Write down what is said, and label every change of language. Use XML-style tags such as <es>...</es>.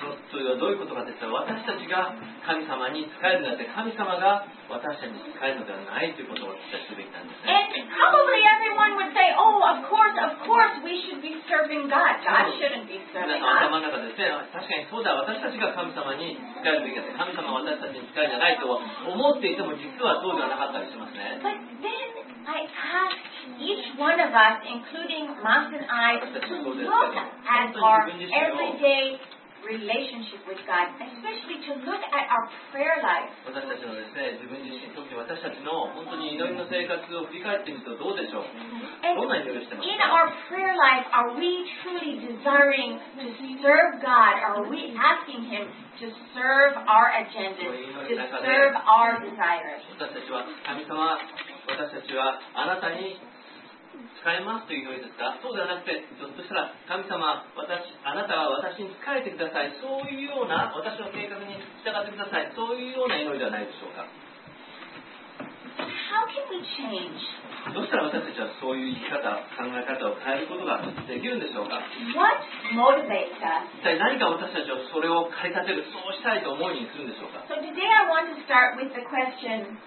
<ja>それはどういうことかですか。私たちが神様に仕えるのではなくて、神様が私たちに仕えるのではないということを私たちすべきなんですね。</ja> <en>And probably everyone would say, oh, of course, we should be serving God. God shouldn't be serving us.</en> <ja>皆さんの頭の中ですね、確かにそうだ、私たちが神様に仕えるべきだ、神様は私たちに仕えるんじゃないと思っていても、実はそうではなかったりしますね。</ja> <en>But then I ask each one of us, including Mark and I, to look at our everyday relationship with God, especially to look at our prayer life.</en> <ja>私たちのですね、自分自身、特に私たちの本当に祈りの生活を振り返ってみるとどうでしょう。どんな祈りしてますか。</ja> <en>In our prayer life, are we truly desiring to serve God? Are we asking Him to serve our agendas, to serve our desires?</en> <ja>私たちは神様、私たちはあなたに使えますという祈りですか。そうではなくて、ひょっとしたら神様、私、あなたは私に使えてください、そういうような、私の計画に従ってください、そういうような祈りではないでしょうか。</ja> <en>How can we change?</en> <ja>どうしたら私たちはそういう生き方、考え方を変えることができるんでしょうか。</ja> <en>What motivates us?</en> <ja>一体何か私たちはそれを駆り立てる、そうしたいと思いにするんでしょうか。</ja> <en>So today I want to start with the question.</en>